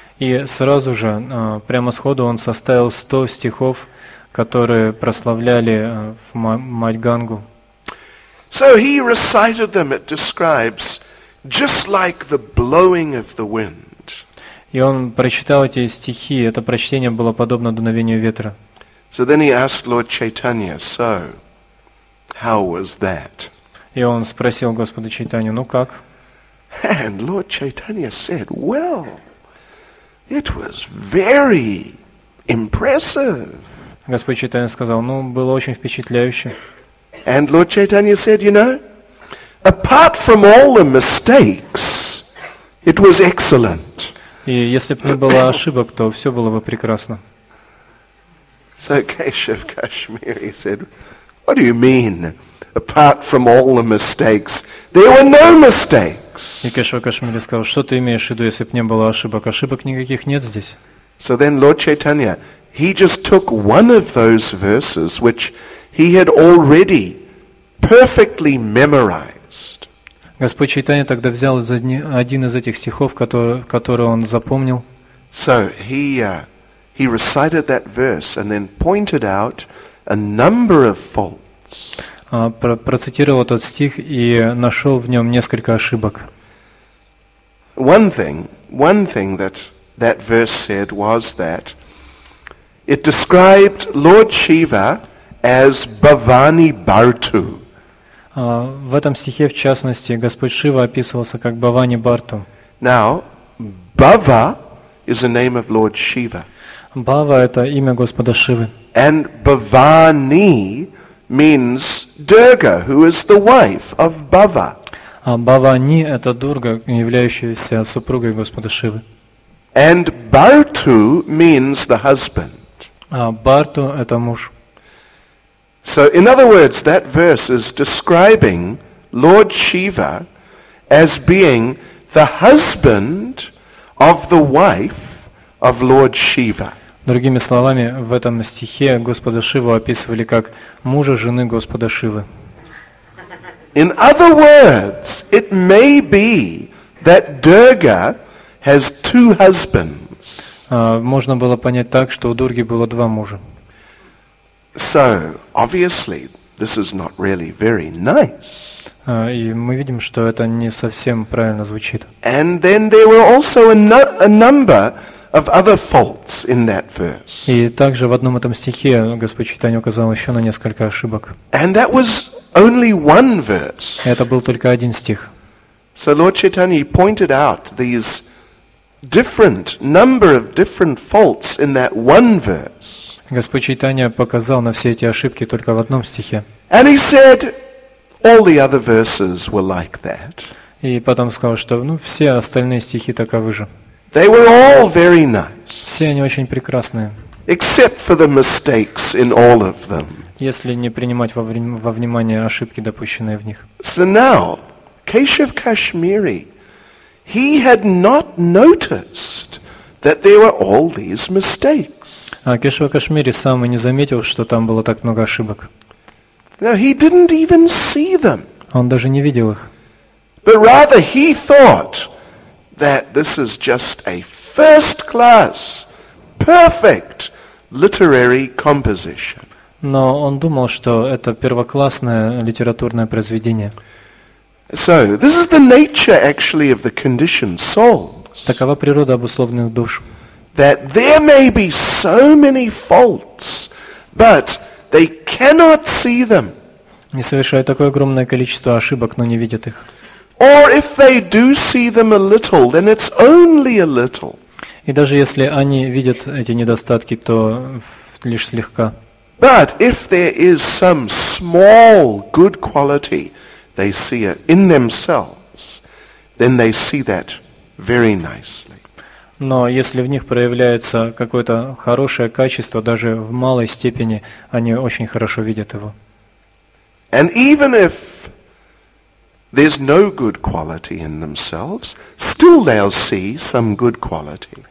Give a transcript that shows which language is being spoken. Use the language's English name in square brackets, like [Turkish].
[Russian] И сразу же, прямо сходу, он составил 100 стихов, которые прославляли в мать Гангу. [English] So he recited them, it describes, just like the blowing of the wind. [Russian] И он прочитал эти стихи, это прочтение было подобно дуновению ветра. [English] So then he asked Lord Chaitanya, so, how was that? [Russian] И он спросил Господа Чайтанью, ну как? [English] And Lord Chaitanya said, well, it was very impressive. [Russian] Господь Чайтанья сказал, ну, было очень впечатляюще. [English] And Lord Chaitanya said, you know, apart from all the mistakes, it was excellent. [Russian] И если бы не было ошибок, то все было бы прекрасно. [English] So Keshav Kashmiri said, what do you mean, apart from all the mistakes? There were no mistakes. [Russian] И Кешава Кашмири сказал, что ты имеешь в виду, если бы не было ошибок? Ошибок никаких нет здесь. [English] So then Lord Chaitanya, he just took one of those verses which he had already perfectly memorized. [Russian] Господь Чайтанья тогда взял один из этих стихов, который он запомнил. [English] So he recited that verse and then pointed out a number of faults. [Russian] Процитировал тот стих и нашел в нем несколько ошибок. [English] One thing that verse said was that it described Lord Shiva as Bhavani Bhartu. [Russian] В этом стихе, в частности, Господь Шива описывался как Бхавани Бхарту. [English] Now, Bhava is the name of Lord Shiva. [Russian] Бхава – это имя Господа Шивы. [English] And Bhavani means Durga, who is the wife of Bhava. [Russian] А Бхавани – это Дурга, являющаяся супругой Господа Шивы. [English] And Bhartu means the husband. [Russian] Бхарту – это муж. [English] So, in other words, that verse is describing Lord Shiva as being the husband of the wife of Lord Shiva. [Russian] Другими словами, в этом стихе Господа Шиву описывали как мужа жены Господа Шивы. [English] In other words, it may be that Durga has two husbands. [Russian] Можно было понять так, что у Дурги было два мужа. [English] So, obviously, this is not really very nice. [Russian] И мы видим, что это не совсем правильно звучит. [English] And then there were also a number of other faults in that verse. [Russian] И также в одном этом стихе Господь Чайтанья указал еще на несколько ошибок. [English] And that was only one verse. [Russian] Это был только один стих. [English] So Lord Chaitanya pointed out these different number of different faults in that one verse. [Russian] Господь Чайтанья показал на все эти ошибки только в одном стихе. [English] And he said, all the other verses were like that. [Russian] И потом сказал, что все остальные стихи таковы же. [English] They were all very nice. [Russian] Все они очень прекрасные. [English] Except for the mistakes in all of them. [Russian] Если не принимать во внимание ошибки, допущенные в них. [English] So now, Keshav Kashmiri, he had not noticed that there were all these mistakes. [Russian] А Кешава Кашмири сам и не заметил, что там было так много ошибок. [English] Now he didn't even see them. [Russian] Он даже не видел их. [English] But rather he thought that this is just a first-class, perfect literary composition. [Russian] Но он думал, что это первоклассное литературное произведение. [English] So this is the nature, actually, of the conditioned souls. [Russian] Такова природа обусловленных душ. [English] That there may be so many faults, but they cannot see them. [Russian] Не совершают такое огромное количество ошибок, но не видят их. [English] Or if they do see them a little, then it's only a little. [Russian] И даже если они видят эти недостатки, то лишь слегка. [English] But if there is some small good quality, they see it in themselves, then they see that very nicely. [Russian] Но если в них проявляется какое-то хорошее качество, даже в малой степени, они очень хорошо видят его. [English] And even if there's no good quality in themselves, still they'll see some good quality.